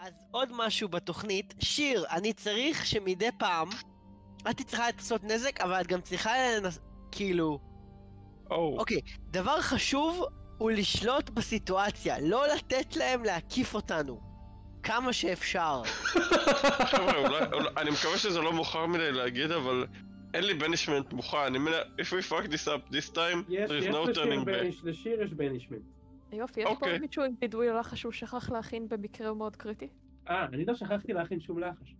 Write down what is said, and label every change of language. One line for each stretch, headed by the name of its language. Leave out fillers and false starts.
Hebrew: עוד משהו בתוכנית, שיר, אני צריך שמדי פעם את צריכה לעשות נזק, אבל את גם צריכה כאילו אוקיי, דבר חשוב הוא לשלוט בסיטואציה, לא לתת להם להקיף אותנו כמה שאפשר. אני מקווה שזה לא מוכר מדי להגיד, אבל אין לי בנישמנט מוכן. אני מנה,
English: if we fuck this up this time, there is no turning back.
Hebrew: לשיר יש בנישמנט. יופי, יש פה מישהו עם בידוי לחש שהוא שכח להכין במקרה מאוד קריטי? אני לא שכחתי להכין שום לחש.